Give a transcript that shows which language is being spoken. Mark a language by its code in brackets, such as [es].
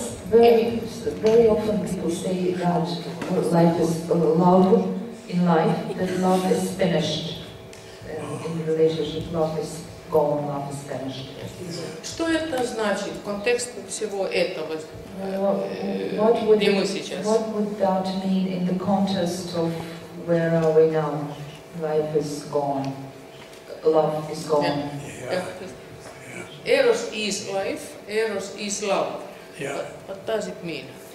[en] Very often people say that life is love in life, that love is finished in the relationship, love is gone, love is finished. [ru] Что это значит в контексте всего этого? [en] What would that mean in the context of where are we now? Life is gone, love is gone. Yeah. Eros is life, Eros is love. Yeah. What does it mean?